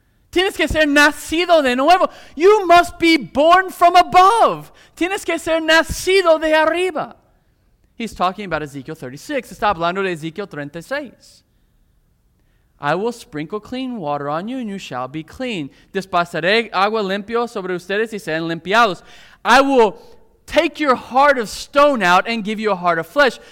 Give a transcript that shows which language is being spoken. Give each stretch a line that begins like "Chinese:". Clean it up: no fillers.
Spanish: Tienes que ser nacido de nuevo.
English: You must be born from above.
Spanish: Tienes que ser nacido de arriba.
English: He's talking about Ezekiel 36.
Spanish: Está hablando de Ezekiel 36.
English: I will sprinkle clean water on you and you shall be clean.
Spanish: Despasaré agua limpio sobre ustedes y serán limpiados.
English: I will take your heart of stone out and give you a heart of flesh.